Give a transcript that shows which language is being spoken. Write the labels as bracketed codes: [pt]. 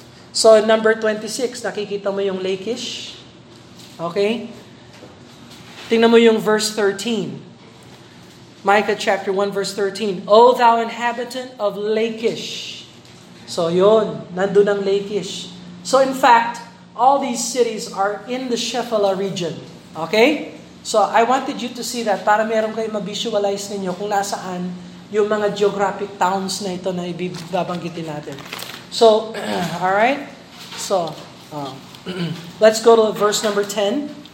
[tl] So number 26, nakikita mo yung Lachish. [en] Okay? [tl] Tingnan mo yung verse 13. [en] Micah chapter 1 verse 13, O thou inhabitant of Lachish. [tl] So yon, nandun ang Lachish. [en] So in fact, all these cities are in the Shephelah region. Okay? So I wanted you to see that [tl] para meron kayo ma-visualize ninyo kung nasaan yung mga geographic towns na ito na ibibabanggitin natin. [en] So, all right? So, let's go to verse number 10.